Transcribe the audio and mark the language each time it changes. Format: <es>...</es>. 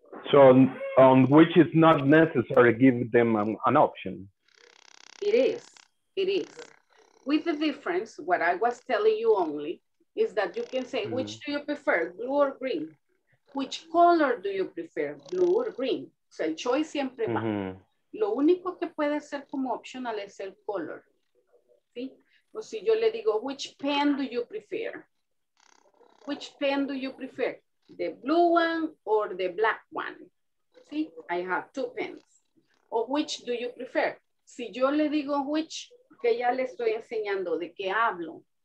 <en>So which is not necessary, give them an option. It is, it is. With the difference, what I was telling you only, is that you can say, which do you prefer, blue or green? Which color do you prefer, blue or green?</en> <es>O sea, el choice siempre va. Lo único que puede ser como optional es el color. ¿Sí? O si yo le digo,</es> <en>which pen do you prefer? Which pen do you prefer, the blue one or the black one? ¿Sí? I have two pens. O which do you prefer?</en> <es>Si yo le digo which, que ya le estoy enseñando de qué hablo.</es>